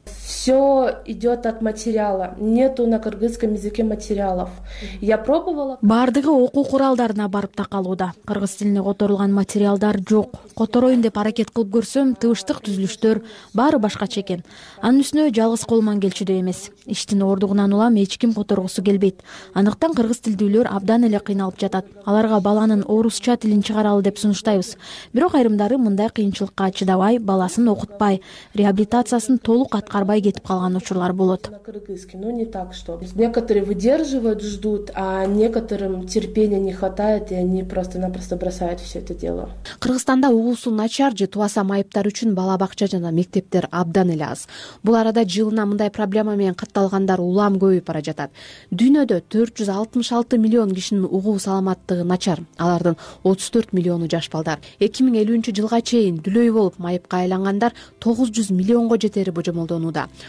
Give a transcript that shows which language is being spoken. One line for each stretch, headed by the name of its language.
Russian: Все идет от материала, нету на кыргызском языке материалов. Я пробовала.
Kyrgyz: Баардыгы окуу куралдарына барып такалууда. Кыргыз тилине которулган материалдар жок. Которойюн деп аракет кылып көрсөм, тыбыштык түзүлүштөр баары башкача экен. Анын үстүнө жалгыз кол менен келчүдөй эмес. Иштин ордугунан улам эч ким которгусу келбейт. Андыктан кыргыз тилдүүлөр абдан эле кыйналып жатат. Аларга баланын орусча тилин чыгаралы деп сунуштайбыз. Бирок айрымдары мындай кыйынчылыкка чыдабай, баласын окутпай, реабилитациясын толук аткарбай кетип калган учурлар болот.
Russian: Некоторые выдерживают, ждут, а некоторым терпения не хватает, и они просто-напросто бросают все это дело.
Kyrgyz: Кыргызстанда угуусу начар же тубаса майыптар үчүн бала бакча жана мектептер абдан эле аз. Бул арада жылына мындай проблема менен катталгандар улам көбөйүп бара жатат. Дүйнөдө 466 миллион кишинин угуу саламаттыгы начар. Алардын 34 миллиону жаш балдар. 2050 жылга чейин дүлөй болуп майыпка айлангандар 900 миллионго жетери божомолдонууда.